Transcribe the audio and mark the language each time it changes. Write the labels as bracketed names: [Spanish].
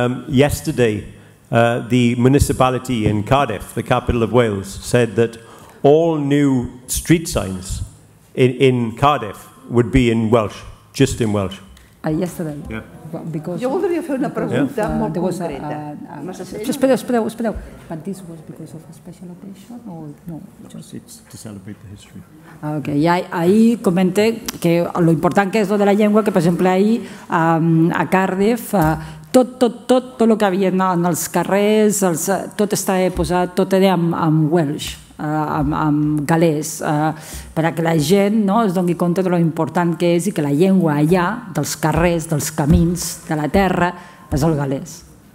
[English] Yesterday, the municipality in Cardiff, the capital of Wales, said that all new street signs in Cardiff would be in Welsh, just in Welsh. Yesterday? Yeah. [Catalan] Jo voldria fer una pregunta molt concreta. Espereu. [English] But this was because of a special occasion or no? Just to celebrate the history. Okay. [Catalan] I ahí comenté que lo important que és lo de la llengua, que per exemple ahí a Cardiff tot el que havia en els carrers, tot estava posat, tot era amb Welsh, amb galès, perquè la gent no es doni compte de lo important que és i que la llengua allà, dels carrers, dels camins, de la terra, és el galès.